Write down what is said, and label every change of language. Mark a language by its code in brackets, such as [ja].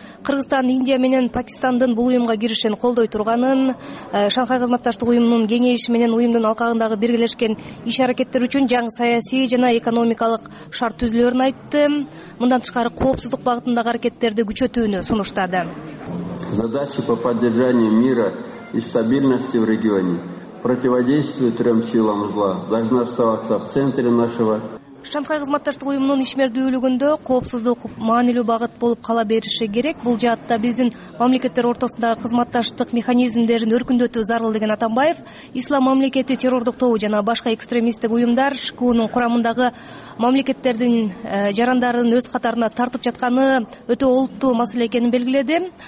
[ky] Кыргызстан, Индия менен Пакистандын бул уюмга киришин колдой турганын, Шанхай кызматташтык уюмунун кеңеши менен уюмдун алкагындагы биргелешкен иш аракеттер үчүн жаңы саясий жана экономикалык шарт түзүлөрүн айтты. Мындан тышкары коопсуздук багытындагы аракеттерди күчөтүүнү сунуштады. [ru] Задача по поддержанию мира и стабильности в регионе, противодействию трем силам зла должна оставаться в центре нашего. [ky] Шанхай кызматташтык уюмунун ишмердүүлүгүндө коопсуздук маанилүү багыт болуп кала бериши керек. Бул жаатта биздин мамлекеттер ортосундагы кызматташтык механизмдерин өркүндөтүү зарыл деген Атамбаев, Ислам мамлекети террордук тобу жана башка экстремисттик уюмдар ШКУ'нун курамындагы мамлекеттердин жарандарын өз катарына тартып жатканы өтө олуттуу маселе экенин белгиледи.